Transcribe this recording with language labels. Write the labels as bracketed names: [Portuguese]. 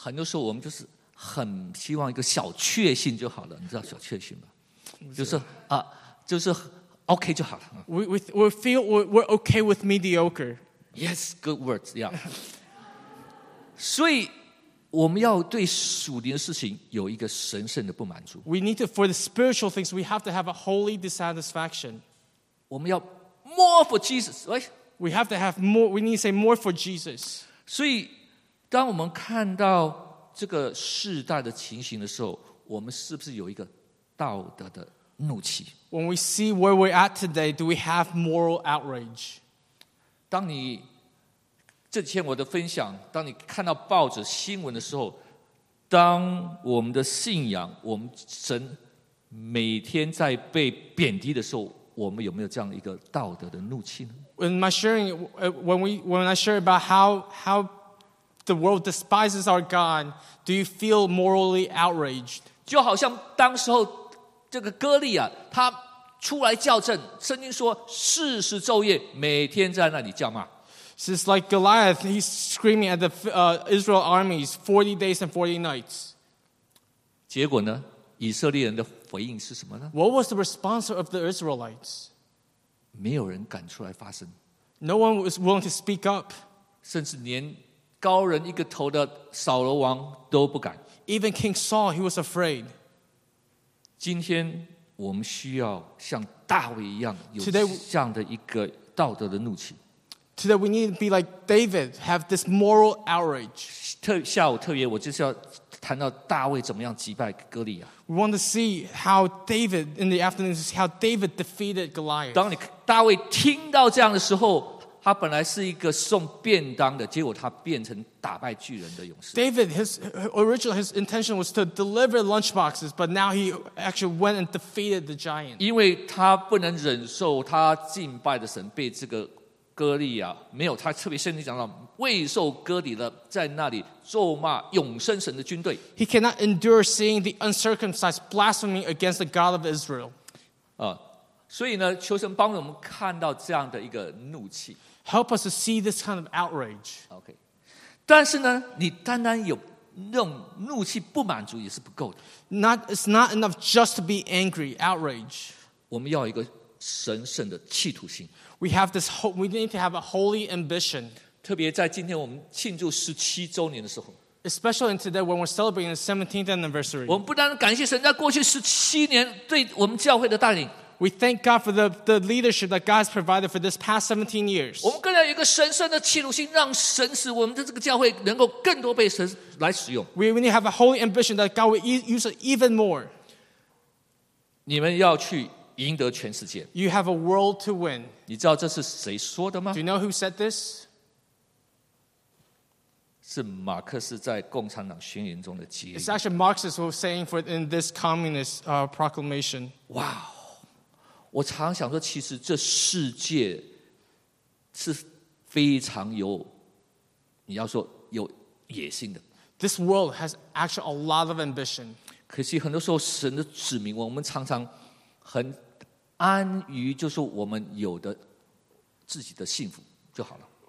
[Chinese] 很多时候我们就是很希望一个小确幸就好了，你知道小确幸吗？就是啊，就是 OK 就好了。 [English] We feel we're okay with mediocre. Yes, good words. Yeah. [Chinese] 所以我们要对属灵的事情有一个神圣的不满足。 [English] We need to, for the spiritual things, we have to have a holy dissatisfaction. [Chinese] 我们要 [English] more for Jesus, right? We have to have more, we need to say more for Jesus. [Chinese] 所以当我们看到这个世代的情形的时候，我们是不是有一个道德的怒气？ [English] When we see where we're at today, do we have moral outrage? [Chinese] 当你这几天我的分享，当你看到报纸新闻的时候，当我们的信仰，我们神每天在被贬低的时候，我们有没有这样一个道德的怒气呢？ [English] In my sharing, when I share about how the world despises our God, do you feel morally outraged? [Chinese] 就好像当时候这个哥利亚他出来叫阵，圣经说四十昼夜每天在那里叫骂。 [English] It's like Goliath, he's screaming at the Israel armies 40 days and 40 nights. [Chinese] 结果呢？以色列人的回应是什么呢？ [English] What was the response of the Israelites? [Chinese] 没有人敢出来发声。 [English] No one was willing to speak up. [Chinese] 甚至连高人一个头的扫罗王都不敢。 [English] Even King Saul, he was afraid. [Chinese] 今天我们需要像大卫一样有这样的一个道德的怒气。 [English] Today we need to be like David, have this moral outrage. [Chinese] 下午特别我就是要谈到大卫怎么样击败哥利亚。 [English] We want to see how David in the afternoon is how David defeated Goliath. [Chinese] 当你大卫听到这样的时候，他本来是一个送便当的，结果他变成打败巨人的勇士。 [English] David, his intention was to deliver lunchboxes, but now he actually went and defeated the giant. [Chinese] 因为他不能忍受他敬拜的神被这个哥利亚没有，他特别圣经讲到未受割礼的在那里咒骂永生神的军队。 [English] He cannot endure seeing the uncircumcised blaspheming against the God of Israel. [Chinese] 所以呢，求神帮助我们看到这样的一个怒气。 [English] Help us to see this kind of outrage. Okay. [Chinese] 但是呢，你单单有那种怒气不满足也是不够的。 [English] It's not enough just to be angry, outrage. [Chinese] 我们要一个神圣的企图心。 [English] We need to have a holy ambition. [Chinese] 特别在今天我们庆祝十七周年的时候。 [English] Especially in today when we're celebrating the 17th anniversary. [Chinese] 我们不单感谢神在过去十七年对我们教会的带领。 [English] We thank God for the leadership that God has provided for this past 17 years. [Chinese] 我们更要有一个神圣的企图心，让神使我们的这个教会能够更多被神来使用。 [English] We need to have a holy ambition that God will use it even more. [Chinese] 你们要去赢得全世界。 [English] You have a world to win. [Chinese] 你知道这是谁说的吗？ [English] Do you know who said this? [Chinese] 是马克思在共产党宣言中的结语。 [English] It's actually Marxist who was saying for in this communist proclamation. Wow! [Chinese] 我常想说，其实这世界是非常有，你要说有野心的。 [English] This world has actually a lot of ambition. [Chinese] 可是很多时候神的子民我们常常很安于就是我们有的自己的幸福就好了。